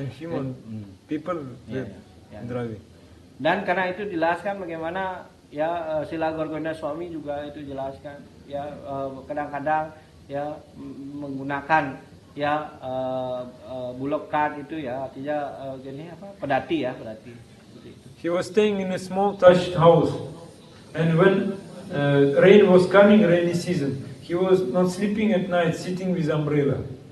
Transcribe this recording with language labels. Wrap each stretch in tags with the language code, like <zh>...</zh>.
<en>And human people driving.</en> <id>Dan karena itu dijelaskan bagaimana ya Srila Guru Govinda Swami juga itu jelaskan ya kadang-kadang ya menggunakan ya</id> <en>bullock cart</en> <id>itu ya artinya gini apa pedati ya pedati.</id> <en>He was staying in a small thatched house and when rain was coming, rainy season, he was not sleeping at night, sitting with umbrella.</en>